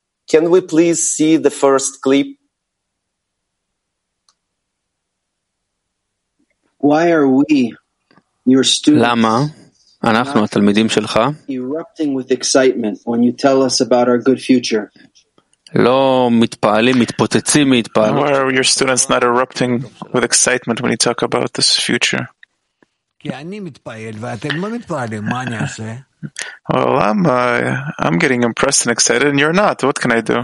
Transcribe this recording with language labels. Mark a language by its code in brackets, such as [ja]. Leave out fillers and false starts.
[en] Can we please see the first clip? Why are we, your students? [he] Lama? אנחנו התלמידים שלך. [en] Erupting with excitement when you tell us about our good future. [he] לא מתפעלים, מתפוצצים מהתפעלות. [en] Why are your students not erupting with excitement when you talk about this future? [he] כי אני מתפעל ואתם לא מתפעלים, מה אני אעשה? [en] Well, I'm getting impressed and excited and you're not. What can I do?